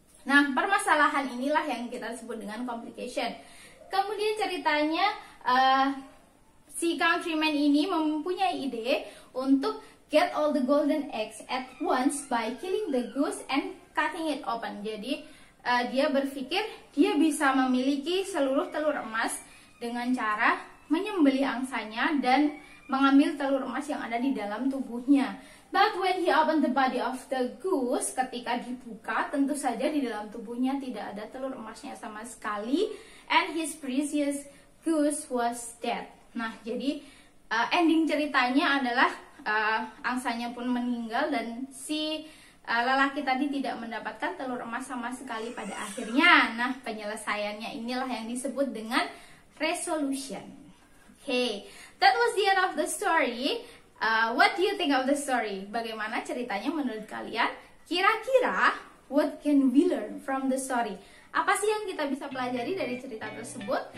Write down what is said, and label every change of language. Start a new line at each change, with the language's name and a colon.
Indonesian: Nah, permasalahan inilah yang kita sebut dengan complication. Kemudian ceritanya si countryman ini mempunyai ide untuk
English: get all the golden eggs at once by killing the goose and cutting it open.
Indonesian: Jadi dia berpikir dia bisa memiliki seluruh telur emas dengan cara menyembelih angsanya dan mengambil telur emas yang ada di dalam tubuhnya.
English: But when he opened the body of the goose,
Indonesian: ketika dibuka, tentu saja di dalam tubuhnya tidak ada telur emasnya sama sekali,
English: and his precious goose was dead.
Indonesian: Nah, jadi ending ceritanya adalah angsanya pun meninggal dan si lelaki tadi tidak mendapatkan telur emas sama sekali pada akhirnya. Nah, penyelesaiannya inilah yang disebut dengan resolution.
English: Okay, that was the end of the story. What do you think of the story?
Indonesian: Bagaimana ceritanya menurut kalian? Kira-kira,
English: what can we learn from the story?
Indonesian: Apa sih yang kita bisa pelajari dari cerita tersebut?